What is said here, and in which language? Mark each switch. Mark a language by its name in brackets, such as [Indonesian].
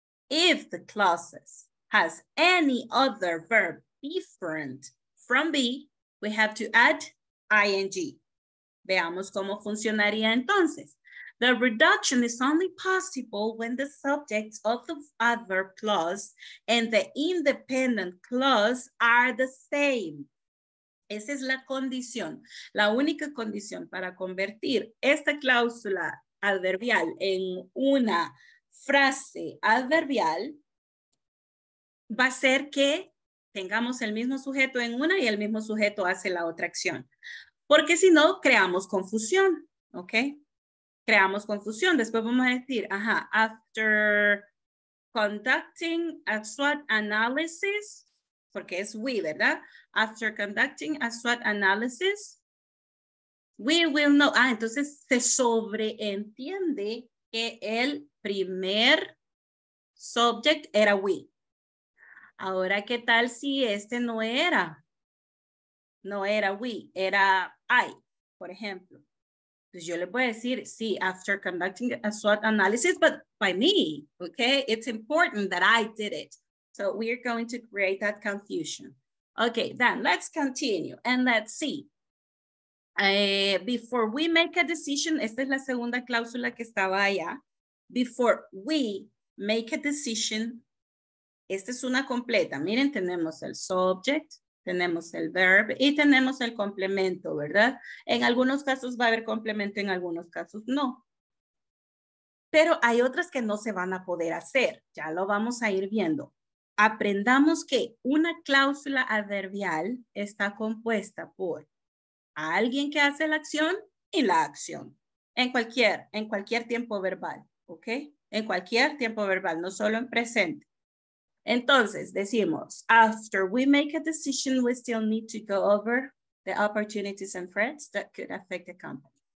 [English] If the clause has any other verb different from be, we have to add ing. [Spanish] Veamos cómo funcionaría entonces. [English] The reduction is only possible when the subject of the adverb clause and the independent clause are the same. [Spanish] Esa es la condición, la única condición para convertir esta cláusula adverbial en una frase adverbial va a ser que tengamos el mismo sujeto en una y el mismo sujeto hace la otra acción. Porque si no, creamos confusión, ¿ok? Creamos confusión. Después vamos a decir, ajá, [English] after conducting a SWOT analysis, [Spanish] porque es we, ¿verdad? [English] After conducting a SWOT analysis, we will know. [Spanish] Ah, entonces se sobreentiende que el primer subject era we. Ahora, ¿qué tal si este no era? No era we, era I, por ejemplo. Entonces yo le puedo decir, sí, [English] after conducting a SWOT analysis, but by me, okay? It's important that I did it. So we are going to create that confusion. Okay, then let's continue and let's see. Before we make a decision, [Spanish] esta es la segunda cláusula que estaba allá. [English] Before we make a decision, [Spanish] esta es una completa. Miren, tenemos el subject, tenemos el verb y tenemos el complemento, ¿verdad? En algunos casos va a haber complemento, en algunos casos no. Pero hay otras que no se van a poder hacer. Ya lo vamos a ir viendo. Aprendamos que una cláusula adverbial está compuesta por alguien que hace la acción y la acción. En cualquier tiempo verbal, ¿ok? En cualquier tiempo verbal, no solo en presente. Entonces, decimos, [English] after we make a decision, we still need to go over the opportunities and threats that could affect the company.